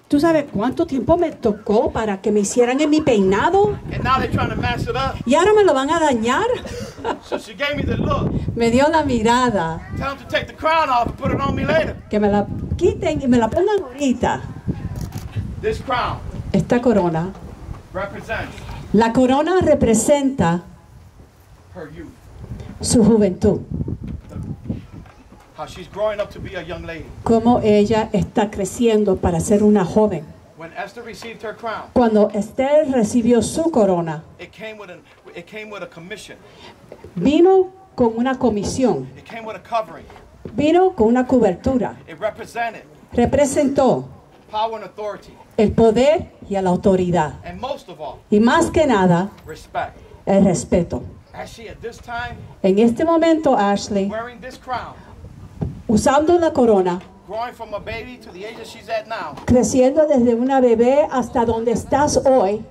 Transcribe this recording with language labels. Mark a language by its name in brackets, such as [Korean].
[Spanish] ¿Tú sabes cuánto tiempo me tocó para que me hicieran en mi peinado? [English] And now they're trying to mess it up. [Spanish] ¿Y ahora me lo van a dañar? [English] So she gave me the look. [Spanish] Me dio la mirada. [English] Tell them to take the crown off and put it on me later. [Spanish] Que me la quiten y me la pongan ahorita. [English] This crown. [Spanish] Esta corona. [English] Represents. [Spanish] La corona representa su juventud. [English] How she's growing up to be a young lady. [Spanish] Cómo ella está creciendo para ser una joven. [English] When Esther received her crown, [Spanish] cuando Esther recibió su corona, [English] it came with a commission. [Spanish] Vino con una comisión. [English] It came with a covering. [Spanish] Vino con una cobertura. [English] It represented. [Spanish] Representó [English] power and authority. [Spanish] El poder y a la autoridad. [English] And most of all, [Spanish] y más que nada, [English] respect. [Spanish] El respeto. [English] Ashley, at this time, [Spanish] en este momento, Ashley, [English] wearing this crown, [Spanish] usando la corona, [English] growing from a baby to the age that she's at now, [Spanish] creciendo desde una bebé hasta donde estás hoy,